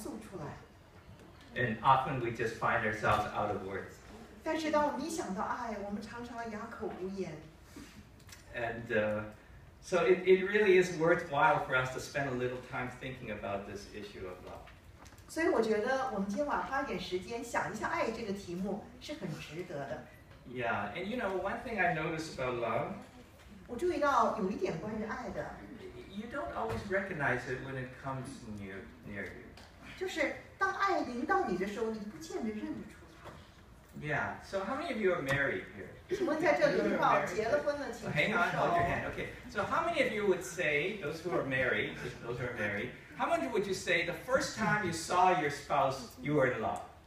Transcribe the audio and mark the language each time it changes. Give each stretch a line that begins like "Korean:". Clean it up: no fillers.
Chinese: 一代过去，一代又来，每一个世代都希望能够用言语把爱描述出来。
English: And often we just find ourselves out of words.
Chinese: 但是当我们一想到爱，我们常常哑口无言。
English: And So it really is worthwhile for us to spend a little time thinking about this issue of love.
Chinese: 所以我觉得我们今晚花点时间想一下爱这个题目是很值得的。
English: Yeah, and you know, one thing I noticed about love,
Chinese: 我注意到有一点关于爱的,
English: you don't always recognize it when it comes near you.
Chinese: 就是当爱临到你的时候,你不见得认得出来。
English: Yeah, so how many of you are married here?
Chinese: 请问在这里的话,结了婚了,请举手。
English: Hang on, hold your hand, okay. So how many of you would say, those who are married, how many would you say the first time you saw your spouse, you were in love?